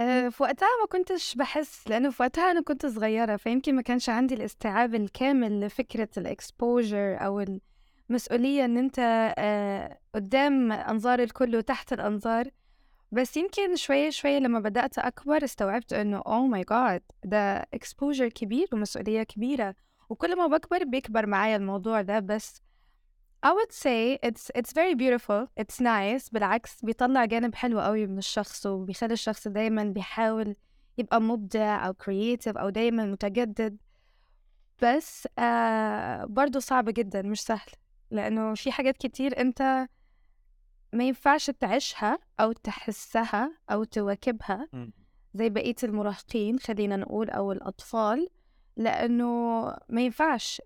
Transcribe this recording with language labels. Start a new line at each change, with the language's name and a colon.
Arabic: في وقتها ما كنتش بحس، لأنه في وقتها أنا كنت صغيرة، فيمكن ما كانش عندي الاستيعاب الكامل لفكرة الإكسبوجر أو المسؤولية أن أنت قدام أنظار الكل وتحت الأنظار. بس يمكن شوية شوية لما بدأت أكبر استوعبت أنه
English: Oh my God
Arabic: ده إكسبوجر كبير ومسؤولية كبيرة، وكل ما بكبر بيكبر معايا الموضوع ده.
English: بس I would say it's very beautiful, it's nice.
Arabic: بالعكس بيطلع جانب حلو قوي من الشخص، وبيخلي الشخص دايما بيحاول يبقى مبدع أو creative أو دايما متجدد. بس برضو صعب جدا، مش سهل، لأنه في حاجات كتير أنت ما ينفعش تعيشها أو تحسها أو تواكبها زي بقية المراهقين خلينا نقول أو الأطفال، لأنه ما ينفعش.